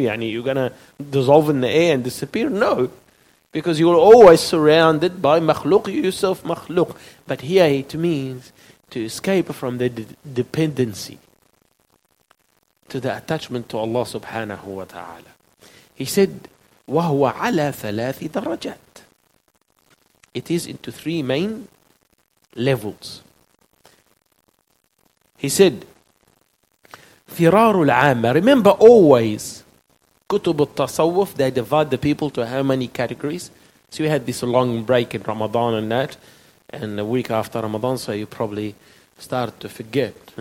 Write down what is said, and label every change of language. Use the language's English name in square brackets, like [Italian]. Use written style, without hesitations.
[Arabic] يعني, [English] you're going to dissolve in the air and disappear? No. Because you are always surrounded by makhluq, yourself makhluq. But here it means to escape from the dependency to the attachment to Allah subhanahu wa ta'ala. He said, [Arabic] وَهُوَ عَلَى ثَلَاثِ دَرَجَاتِ. [English] It is into three main levels. He said, [Arabic] فِرَارُ الْعَامَ. [English] Remember always, [Arabic] كتب التصوف, [English] they divide the people to how many categories? So we had this long break in Ramadan and that, and a week after Ramadan, so you probably start to forget.